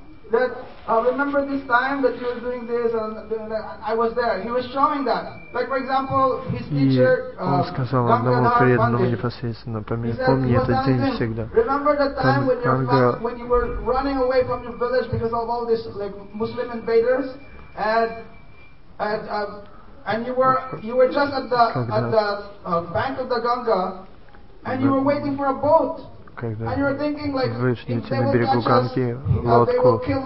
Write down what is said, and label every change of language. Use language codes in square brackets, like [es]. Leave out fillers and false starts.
[en] Remember this time that you were doing this, and I was there. He was showing that. Like, for example, his teacher. [ru] Он сказал одному преданному непосредственно, помни этот день всегда. [en] Remember the time when you were running away from your village because of all these like Muslim invaders, and you were just at the bank of the Ganga, and you were waiting for a boat. [ru] Когда вы ждете на берегу Ганги лодку.